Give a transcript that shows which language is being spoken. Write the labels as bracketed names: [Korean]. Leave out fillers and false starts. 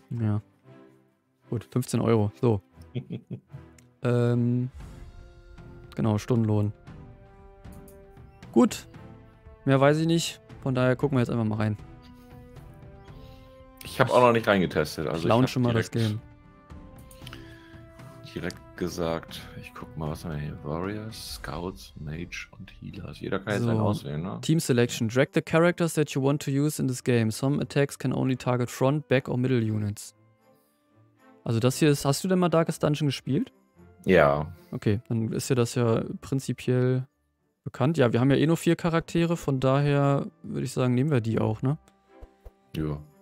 [German] Ja. Gut, 15 Euro. So. genau, Stundenlohn. Gut. Mehr weiß ich nicht. Von daher gucken wir jetzt einfach mal rein. Ich habe auch noch nicht reingetestet. Also ich launche mal das Game. Direkt gesagt, ich guck mal, was haben wir hier? Warriors, Scouts, Mage und Healers. Jeder kann jetzt einen auswählen, ne? [English] Team Selection. Drag the characters that you want to use in this game. Some attacks can only target front, back or middle units. [German] Also das hier ist, hast du denn mal Darkest Dungeon gespielt? Ja. Okay, dann ist ja das ja prinzipiell bekannt. Ja, wir haben ja eh nur 4 Charaktere, von daher würde ich sagen, nehmen wir die auch, ne? Ja.